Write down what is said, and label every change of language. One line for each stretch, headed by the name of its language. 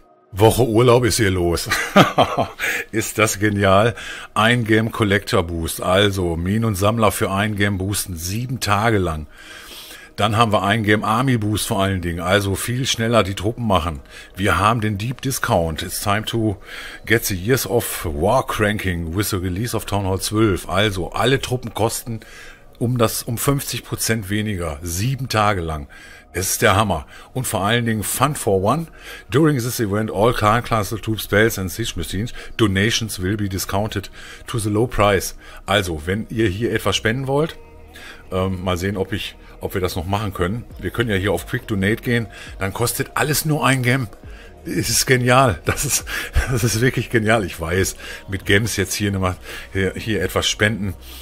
German: Woche Urlaub ist hier los. Ist das genial. Ein Game Collector Boost, also Minen und Sammler für ein Game Boosten 7 Tage lang. Dann haben wir ein Game Army Boost vor allen Dingen, also viel schneller die Truppen machen. Wir haben den Deep Discount.
English: It's time to get the years of war cranking with the release of Town Hall 12.
German: Also alle Truppen kosten um 50% weniger, 7 Tage lang. Es ist der Hammer. Und vor allen Dingen
English: Fun for One. During this event, all Khan Class of Troops, Spells and Siege Machines donations will be discounted to the low price.
German: Also, wenn ihr hier etwas spenden wollt, mal sehen, ob wir das noch machen können. Wir können ja hier auf Quick Donate gehen. Dann kostet alles nur ein Gem. Es ist genial. Das ist wirklich genial. Ich weiß, mit Gems jetzt hier etwas spenden.